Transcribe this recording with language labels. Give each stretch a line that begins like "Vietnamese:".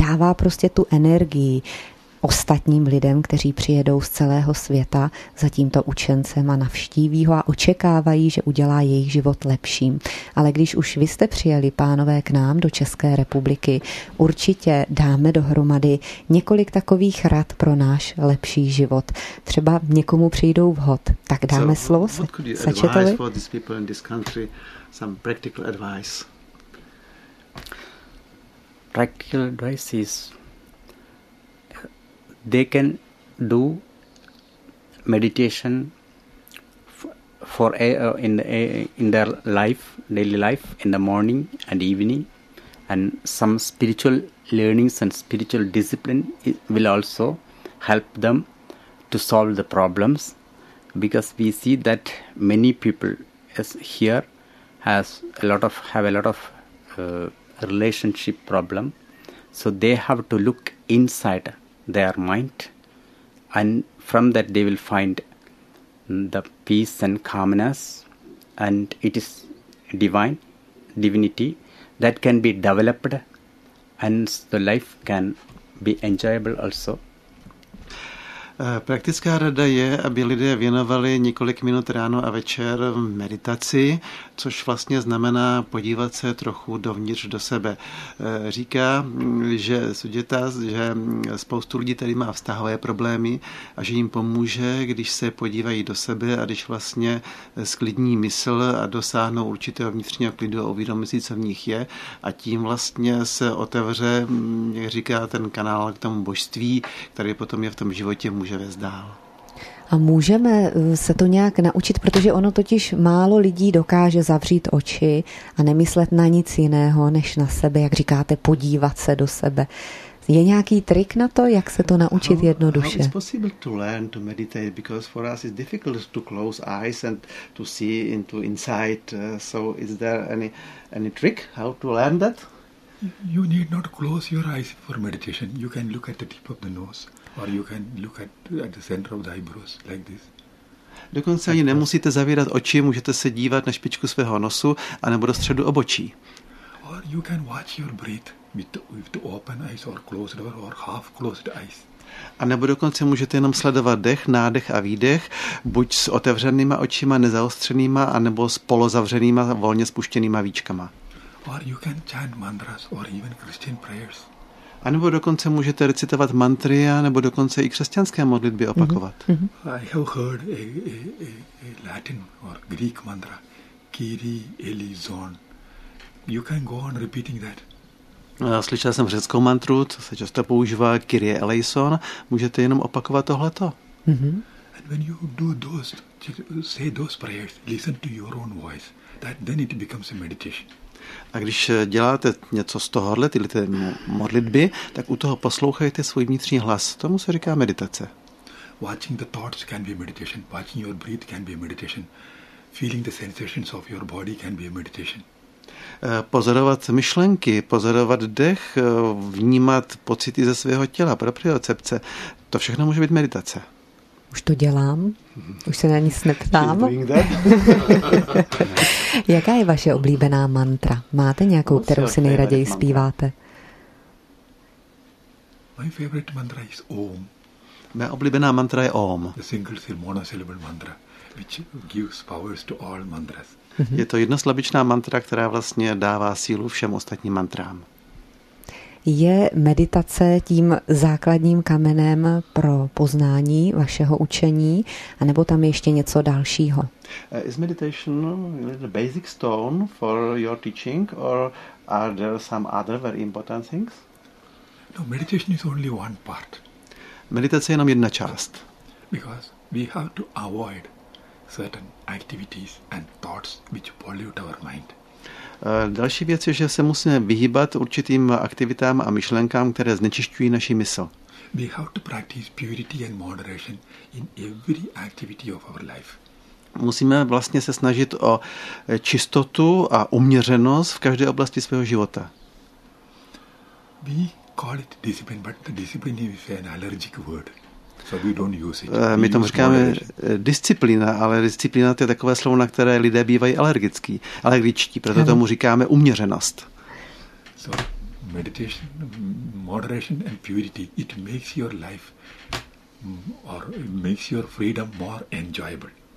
Czech: Dává prostě tu energii ostatním lidem, kteří přijedou z celého světa za tímto učencem a navštíví ho a očekávají, že udělá jejich život lepším. Ale když už vy jste přijeli, pánové, k nám do České republiky, určitě dáme dohromady několik takových rad pro náš lepší život. Třeba někomu přijdou vhod, tak dáme slovo Sečetovi.
English: For these people in this country, some practical advice. Practical advice is they can do meditation in their life, daily life, in the morning and evening, and some spiritual learnings and spiritual discipline will also help them to solve the problems, because we see that many people as here have a lot of relationship problem, so they have to look inside their mind, and from that they will find the peace and calmness, and it is divinity that can be developed, and the life can be enjoyable also.
Czech: Praktická rada je, aby lidé věnovali několik minut ráno a večer v meditaci, což vlastně znamená podívat se trochu dovnitř do sebe. Říká, že Sudžeta, že spoustu lidí tady má vztahové problémy a že jim pomůže, když se podívají do sebe a když vlastně sklidní mysl a dosáhnou určitého vnitřního klidu a uvědomí si, co v nich je, a tím vlastně se otevře, jak říká, ten kanál k tomu božství, který potom je v tom životě může vést dál. A můžeme se to nějak naučit, protože ono totiž málo lidí dokáže zavřít oči a nemyslet na nic jiného, než na sebe, jak říkáte, podívat se do sebe. Je nějaký trik na to, jak se to naučit jednoduše?
English: How is possible to learn to meditate, because for us it's difficult to close eyes and to see into inside. So is there any trick how to learn that? You need not close your eyes for meditation. You can look at the tip of the nose, or you can look at the center of the eyebrows like this.
Czech: Dokonce ani nemusíte zavírat oči, můžete se dívat na špičku svého nosu a nebo do středu obočí.
English: Or you can watch your breath with open eyes or closed or half closed eyes.
Czech: A nebo dokonce můžete jenom sledovat dech, nádech a výdech, buď s otevřenýma očima, nezaostřenýma, a nebo s polozavřenýma, volně spuštěnýma víčkama.
English: Or you can chant mantras or even Christian prayers.
Czech: A nebo dokonce můžete recitovat mantry, nebo dokonce i křesťanské modlitby opakovat.
English: I have heard a Latin or Greek mantra, Kyrie eleison. You can go on repeating that.
Czech: Slyšel jsem řeckou mantru, co se často používá, Kyrie eleison. Můžete jenom opakovat tohleto.
English: And when you do those, say those prayers, listen to your own voice, then it becomes a meditation.
Czech: A když děláte něco z tohohle, tyhle ty modlitby, tak u toho poslouchejte svůj vnitřní hlas. Tomu se říká meditace.
English: Watching the thoughts can be meditation. Watching your breath can be meditation. Feeling the sensations of your body can be meditation.
Czech: Pozorovat myšlenky, pozorovat dech, vnímat pocity ze svého těla, propriocepce, to všechno může být meditace. Už to dělám, už se na nic neptám. Jaká je vaše oblíbená mantra? Máte nějakou, kterou si nejraději zpíváte?
English: My favorite mantra is Om.
Czech: Mé oblíbená mantra je Om.
English: The single monosyllable mantra, which gives powers to all mantras.
Czech: Je to jednoslabičná mantra, která vlastně dává sílu všem ostatním mantrám. Je meditace tím základním kamenem pro poznání vašeho učení, anebo tam ještě něco dalšího?
English: Is meditation the basic stone for your teaching, or are there some other very important things? No, meditation is only one part.
Czech: Meditace je jenom jedna část.
English: Because we have to avoid certain activities and thoughts which pollute our mind.
Czech: Další věc je, že se musíme vyhýbat určitým aktivitám a myšlenkám, které znečišťují naši mysl.
English: We have to practice purity and moderation in every activity of our life.
Czech: Musíme vlastně se snažit o čistotu a uměřenost v každé oblasti svého života.
English: We call it discipline, but the discipline is an allergic word. So we don't use it.
Czech: My tomu říkáme disciplína, ale disciplína to je takové slovo, na které lidé bývají alergický, alergičtí, proto tomu říkáme uměřenost.
English: So meditation, moderation and purity, it makes your life or makes your freedom more enjoyable.